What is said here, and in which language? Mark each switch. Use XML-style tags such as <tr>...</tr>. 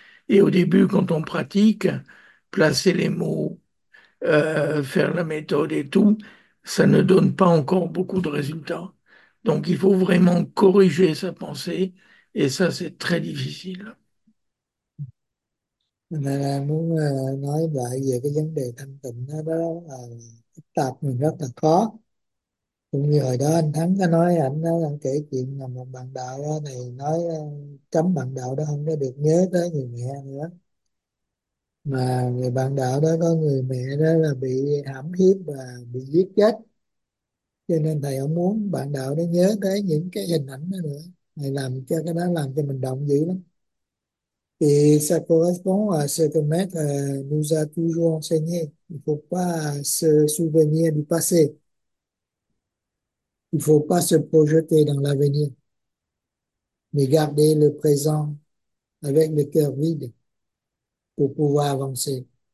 <fr>Et au début, quand on pratique, placer les mots, faire la méthode et tout, ça ne donne pas encore beaucoup de résultats. Donc il faut vraiment corriger sa pensée et ça, c'est très difficile.</fr> <vi>Là muốn nói lại về cái vấn đề thanh tịnh đó, đó là phức tạp, mình rất là khó. Cũng như hồi đó anh Thắng có nói, anh nói anh kể chuyện là một bạn đạo đó này nói cấm bạn đạo đó không có được nhớ tới người mẹ nữa. Mà người bạn đạo đó có người mẹ đó là bị hãm hiếp và bị giết chết. Cho nên thầy không muốn bạn đạo đó nhớ tới những cái hình ảnh đó nữa. Thầy làm cho cái đó làm cho mình động dữ lắm.</vi> <fr>Et ça correspond à ce que Maître nous a toujours enseigné. Il ne faut pas se souvenir du passé. Il ne faut pas se projeter dans l'avenir. Mais garder le présent avec le cœur vide pour pouvoir avancer.</fr>